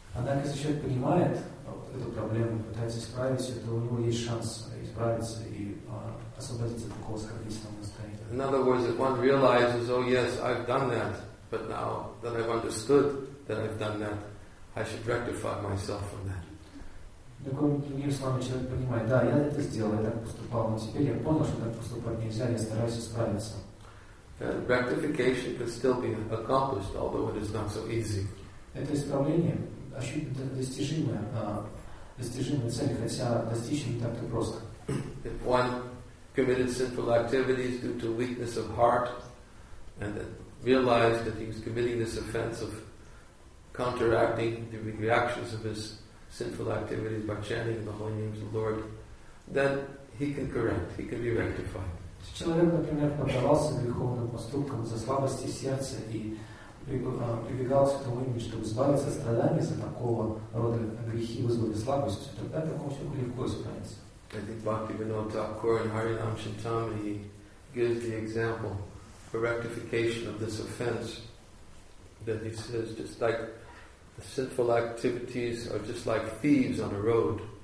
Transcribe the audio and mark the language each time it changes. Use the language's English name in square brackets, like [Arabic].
[Russian] Однако, если человек понимает эту проблему, пытается исправить ее, то у него есть шанс исправиться и освободиться от такого оскорбительного настроения. [English] In other words, if one realizes, oh yes, I've done that, but now that I've understood that I've done that, I should rectify myself from that. [Russian] Другим словом, человек понимает, да, я это сделал, я так поступал, но теперь я понял, что так поступать нельзя, я стараюсь исправиться. [English] Rectification can still be accomplished, although it is not so easy. [Russian] Это исправление достижимая цель, хотя достичь не так-то просто. [English] If one committed sinful activities due to weakness of heart and realized that he was committing this offense of counteracting the reactions of his sinful activities by chanting the holy names of the Lord, then he can correct, he can be rectified. [Russian] Если человек, например, поддавался греховным поступкам за слабости сердца и прибегал к тому имени, чтобы избавиться от страданий за такого рода грехи, вызванные слабостью, тогда такому человеку легко исправиться. [English] I think Bhaktivinoda Thakur in Harinam Chintamani, he gives the example for rectification of this offense that he says, just like the sinful activities are just like thieves on a road.